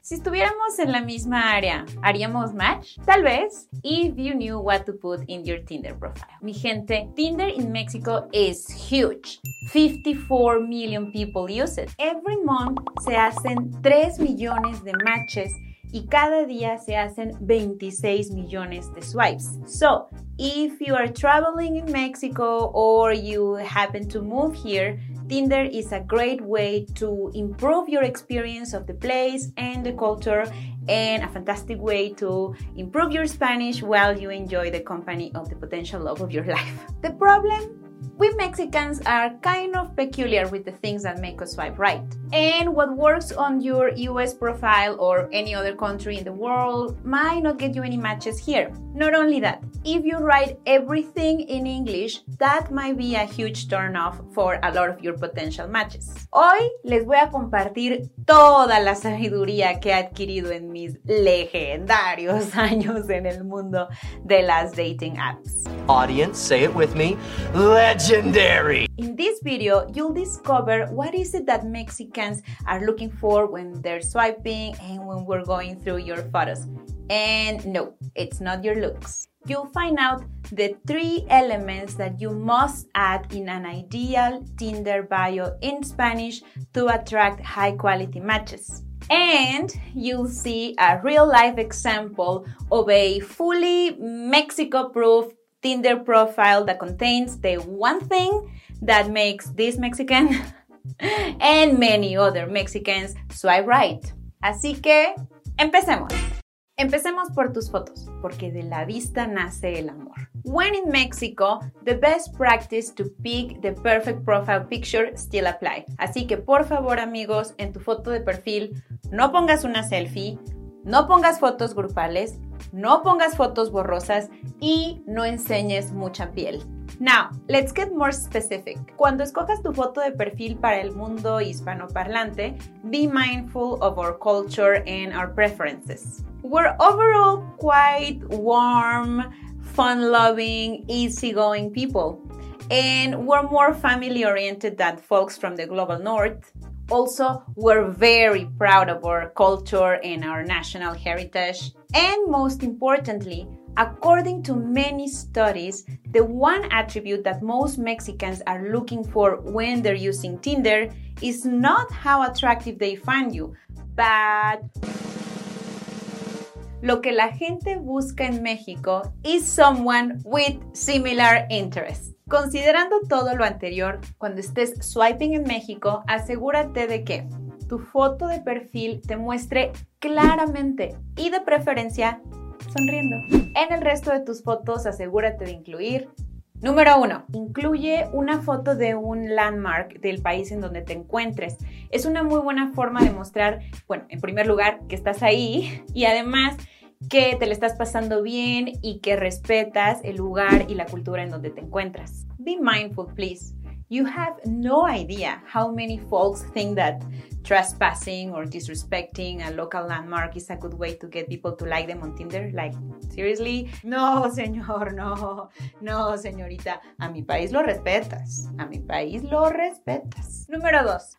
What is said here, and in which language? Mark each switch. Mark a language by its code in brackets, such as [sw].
[es] Si estuviéramos en la misma área, ¿haríamos match? Tal vez, [en] if you knew what to put in your Tinder profile. [es] Mi gente, [en] Tinder in Mexico is huge. 54 million people use it. Every month [es] se hacen 3 millones de matches y cada día se hacen 26 millones de swipes. [en] So, if you are traveling in Mexico or you happen to move here, Tinder is a great way to improve your experience of the place and the culture, and a fantastic way to improve your Spanish while you enjoy the company of the potential love of your life. The problem? We Mexicans are kind of peculiar with the things that make us swipe right. And what works on your US profile or any other country in the world might not get you any matches here. Not only that, if you write everything in English, that might be a huge turnoff for a lot of your potential matches. [es] Hoy les voy a compartir toda la sabiduría que he adquirido en mis legendarios años en el mundo de las dating apps. [en] Audience, say it with me. Legendary. In this video, you'll discover what is it that Mexicans are looking for when they're swiping and when we're going through your photos. And no, it's not your looks. You'll find out the three elements that you must add in an ideal Tinder bio in Spanish to attract high quality matches. And you'll see a real life example of a fully Mexico proof Tinder profile that contains the one thing that makes this Mexican and many other Mexicans swipe right. [es] Así que, empecemos. Empecemos por tus fotos, porque de la vista nace el amor. [en] When in Mexico, the best practice to pick the perfect profile picture still apply. [es] Así que, por favor, amigos, en tu foto de perfil, no pongas una selfie, no pongas fotos grupales, no pongas fotos borrosas y no enseñes mucha piel. [en] Now, let's get more specific. [es] Cuando escojas tu foto de perfil para el mundo hispanoparlante, [en] be mindful of our culture and our preferences. We're overall quite warm, fun-loving, easygoing people. And we're more family-oriented than folks from the global north. Also, we're very proud of our culture and our national heritage. And most importantly, according to many studies, the one attribute that most Mexicans are looking for when they're using Tinder is not how attractive they find you, but [es] lo que la gente busca en México [en] is someone with similar interests. [es] Considerando todo lo anterior, cuando estés swiping en México, asegúrate de que tu foto de perfil te muestre claramente y de preferencia sonriendo. En el resto de tus fotos, asegúrate de incluir. Número 1. Incluye una foto de un landmark del país en donde te encuentres. Es una muy buena forma de mostrar, bueno, en primer lugar, que estás ahí y además que te le estás pasando bien y que respetas el lugar y la cultura en donde te encuentras. [en] Be mindful, please. You have no idea how many folks think that trespassing or disrespecting a local landmark is a good way to get people to like them on Tinder. Like, seriously? [es] No, señor, no. No, señorita. A mi país lo respetas. A mi país lo respetas. Número 2.